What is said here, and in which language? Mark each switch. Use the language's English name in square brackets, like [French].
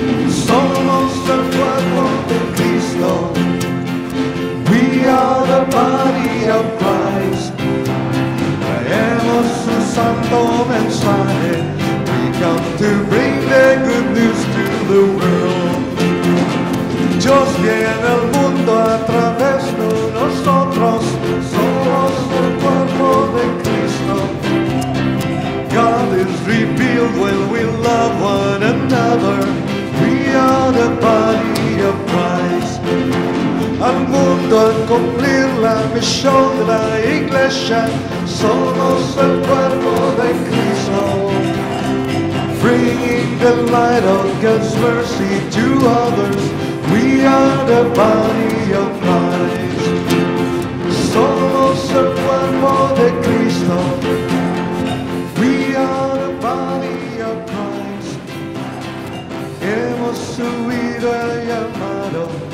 [Spanish] Somos the cuerpo de Cristo. [English] We are the body of Christ. [Spanish] Traemos su santo mensaje. [English] We come to bring the good news to the world. [Spanish] Dios viene al mundo a través de nosotros. Somos el cuerpo de Cristo. [English] God is revealed when we love one another. We are the body of Christ. [Spanish] Al mundo a cumplir la misión de la iglesia. Somos el cuerpo de Cristo. [English] Bringing the light of God's mercy to others. We are the body of Christ. [Spanish] Somos el cuerpo de Cristo. [English] We are the body of Christ. [Spanish] Hemos subido el llamado.